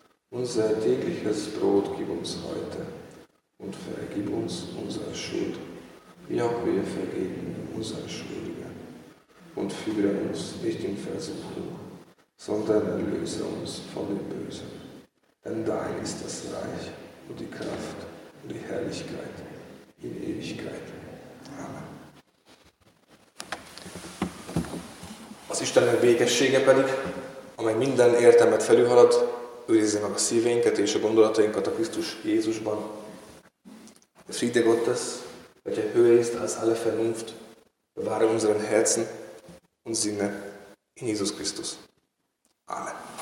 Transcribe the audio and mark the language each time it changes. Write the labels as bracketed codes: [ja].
[de] Unser tägliches Brot gib uns heute und vergib uns unsere Schuld, wie auch wir vergeben unseren Schuldigen. Und führe uns nicht in Versuchung, sondern erlöse uns von dem Bösen. Denn dein ist das Reich und die Kraft und die Herrlichkeit in Ewigkeit. [hu] Az Istennek békessége pedig, amely minden értelmet felülhalad, őrizze meg a szívénket és a gondolatainkat a Krisztus Jézusban. [de] A Friede Gottes, welche höher ist als alle Vernunft, bewahre unseren Herzen und Sinne in Jesus Christus. Amen.